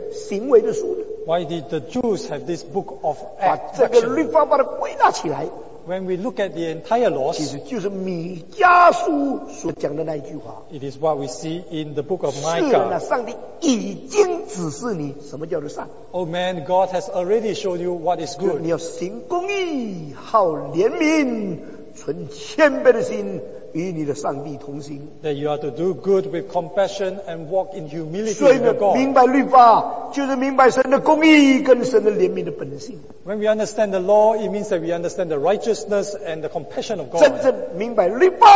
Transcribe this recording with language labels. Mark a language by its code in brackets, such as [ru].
[en] Why did the Jews have this book of acts? When we look at the entire laws, it is what we see in the book of Micah. Oh man, God has already shown you what is good. [zh] 你要行公义, 好怜悯, 存谦卑的心, [en] that you are to do good with compassion and walk in humility with your God. When we understand the law, it means that we understand the righteousness and the compassion of God.